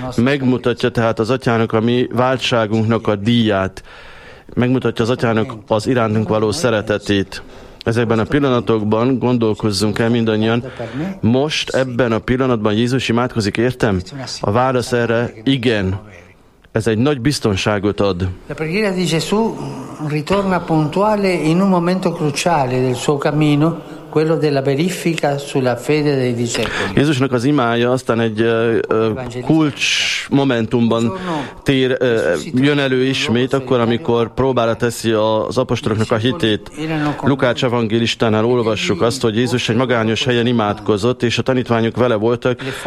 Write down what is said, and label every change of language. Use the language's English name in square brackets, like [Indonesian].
[Hungarian] Megmutatja tehát az Atyának a mi váltságunknak a díját. Megmutatja az Atyának az irántunk való szeretetét. Ezekben a pillanatokban gondolkozzunk el mindannyian, most ebben a pillanatban Jézus imádkozik, értem? A válasz erre igen. Ez egy nagy biztonságot ad. [Italian] La preghiera di Gesù ritorna puntuale in un momento cruciale del suo cammino, quello della verifica sulla fede dei discepoli. [Hungarian] Jézusnak az imája aztán egy kulcs momentumban tér, jön elő ismét, akkor, amikor próbára teszi az apostoloknak a hitét. Lukács evangélistánál olvassuk azt, hogy Jézus egy magányos helyen imádkozott, és a tanítványok vele voltak.